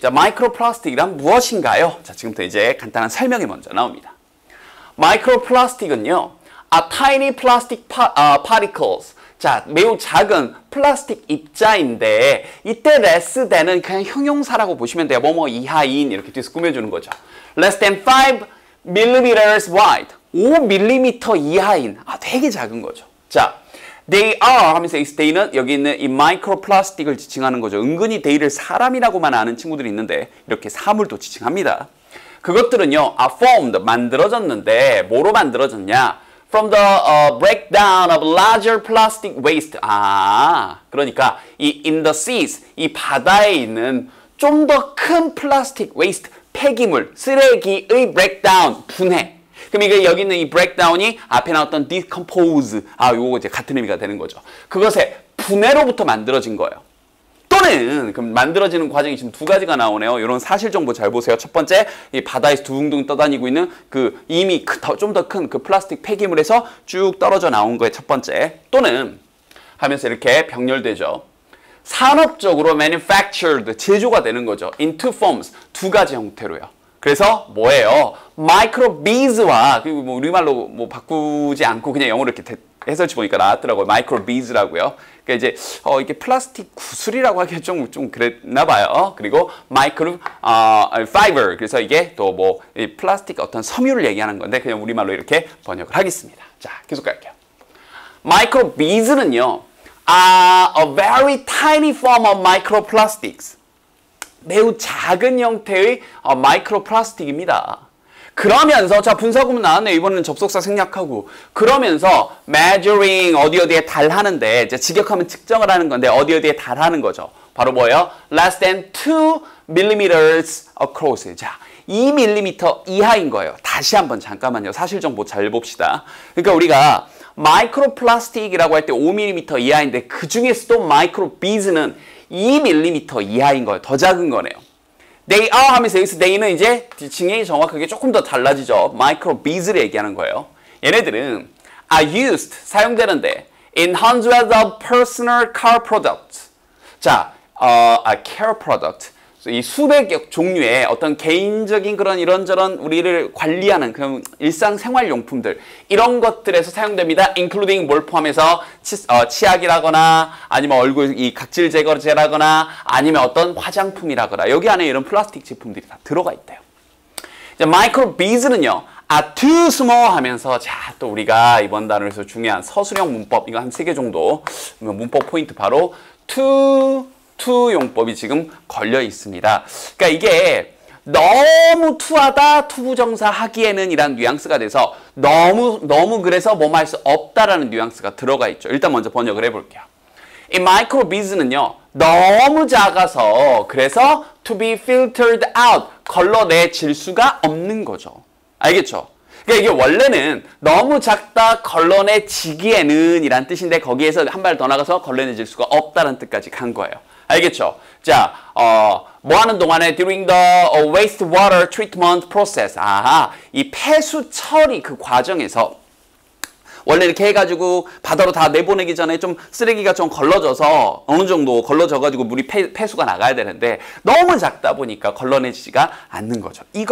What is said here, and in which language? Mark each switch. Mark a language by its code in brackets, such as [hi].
[ko] 자, micro plastic이란 무엇인가요? 자, 지금부터 이제 간단한 설명이 먼저 나옵니다. [en] micro plastic은요, a tiny plastic particles. [ko] 자, 매우 작은 플라스틱 입자인데, 이때 less than은 그냥 형용사라고 보시면 돼요. 뭐뭐 이하인, 이렇게 뒤에서 꾸며주는 거죠. [en] less than 5 millimeters wide. [ko] 5mm 이하인. 아, 되게 작은 거죠. 자, [en] they are [ko] 하면서 they는 여기 있는 이 마이크로플라스틱을 지칭하는 거죠. 은근히 they를 사람이라고만 아는 친구들이 있는데 이렇게 사물도 지칭합니다. 그것들은요, [en] are formed, [ko] 만들어졌는데 뭐로 만들어졌냐? [en] From the breakdown of larger plastic waste. [ko] 아, 그러니까 이 [en] in the seas, [ko] 이 바다에 있는 좀 더 큰 플라스틱 waste, 폐기물, 쓰레기의 breakdown, 분해. 그럼 이게 여기 있는 이 breakdown이 앞에 나왔던 decompose, 아, 요거 이제 같은 의미가 되는 거죠. 그것의 분해로부터 만들어진 거예요. 또는 그럼 만들어지는 과정이 지금 두 가지가 나오네요. 이런 사실 정보 잘 보세요. 첫 번째, 이 바다에서 두둥둥 떠다니고 있는 그 이미 좀 더 큰 그 플라스틱 폐기물에서 쭉 떨어져 나온 거예요. 첫 번째. 또는 하면서 이렇게 병렬되죠. 산업적으로 manufactured, 제조가 되는 거죠. [en] In two forms, [ko] 두 가지 형태로요. 그래서 뭐예요? 마이크로 비즈와 그리고 뭐 우리말로 뭐 바꾸지 않고 그냥 영어로 이렇게 해설치 보니까 나왔더라고요. 마이크로 비즈라고요. 그러니까 이제 이게 플라스틱 구슬이라고 하기에 좀 그랬나 봐요. 그리고 마이크로 파이버. 그래서 이게 또 뭐 플라스틱 어떤 섬유를 얘기하는 건데 그냥 우리말로 이렇게 번역을 하겠습니다. 자, 계속 갈게요. 마이크로 비즈는요. [en] a very tiny form of microplastics. [ko] 매우 작은 형태의 마이크로플라스틱입니다. 그러면서 자 분사구문 나왔네. 이번에는 접속사 생략하고 그러면서 measuring 어디 어디에 달하는데 이제 직역하면 측정을 하는 건데 어디 어디에 달하는 거죠. 바로 뭐예요? [en] less than 2 millimeters across. [ko] 자, 2mm 이하인 거예요. 다시 한번 잠깐만요. 사실 정보 잘 봅시다. 그러니까 우리가 마이크로플라스틱이라고 할 때 5mm 이하인데 그 중에서도 마이크로 비즈는 2mm 이하인 거예요. 더 작은 거네요. [en] They are [ko] 하면서 여기서 they는 이제 지칭이 정확하게 조금 더 달라지죠. micro beads를 얘기하는 거예요. 얘네들은 [en] are used, [ko] 사용되는데 [en] in hundreds of personal car products. 자, care product. [ko] 이 수백 종류의 어떤 개인적인 그런 이런저런 우리를 관리하는 그런 일상생활용품들 이런 것들에서 사용됩니다. including 뭘 포함해서 치약이라거나 아니면 얼굴 이 각질 제거제라거나 아니면 어떤 화장품이라거나 여기 안에 이런 플라스틱 제품들이 다 들어가 있대요. 이제 마이크로 비즈는요. [en] are too small [ko] 하면서 자, 또 우리가 이번 단어에서 중요한 서술형 문법 이거 한 3개 정도 문법 포인트 바로 투 용법이 지금 걸려 있습니다. 그러니까 이게 너무 투하다, 투부정사하기에는 이란 뉘앙스가 돼서 너무 그래서 뭐 말 수 없다라는 뉘앙스가 들어가 있죠. 일단 먼저 번역을 해볼게요. 이 마이크로 비즈는요, 너무 작아서 그래서 [en] to be filtered out, [ko] 걸러내질 수가 없는 거죠. 알겠죠? 그러니까 이게 원래는 너무 작다, 걸러내지기에는 이란 뜻인데 거기에서 한 발 더 나가서 걸러내질 수가 없다라는 뜻까지 간 거예요. 알겠죠? 자, 뭐 하는 동안에 [en] during the wastewater treatment process. [ko] 아하, 이 폐수 처리 그 과정에서 원래 이렇게 해가지고 바다로 다 내보내기 전에 좀 쓰레기가 좀 걸러져서 어느 정도 걸러져가지고 물이 폐수가 나가야 되는데 너무 작다 보니까 걸러내지지가 않는 거죠.